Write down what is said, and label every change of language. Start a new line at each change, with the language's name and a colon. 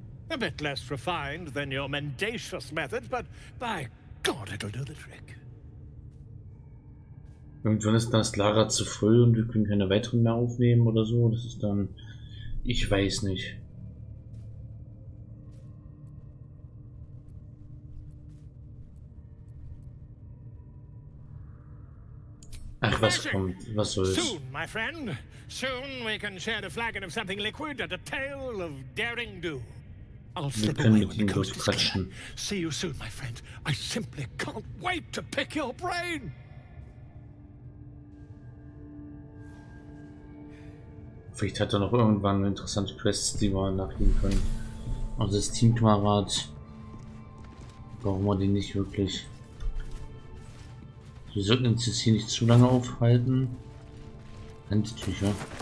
English: A bit less refined than your mendacious methods, but by God, it'll do the trick.
German: Irgendwann ist das Lager zu früh und wir können keine weiteren mehr aufnehmen oder so. Das ist dann, ich weiß nicht. Ach, was kommt? Was soll's?
English: Soon, my friend. Soon we can share the flagon of something liquid and a tale of daring do. I'll slip away when the coast is clear. See you soon, my friend. I simply can't wait to pick your brain.
German: Vielleicht hat er noch irgendwann interessante Quests, die wir nachgehen können. Und das Teamkamerad. Brauchen wir den nicht wirklich? Wir sollten uns jetzt hier nicht zu lange aufhalten. Handtücher.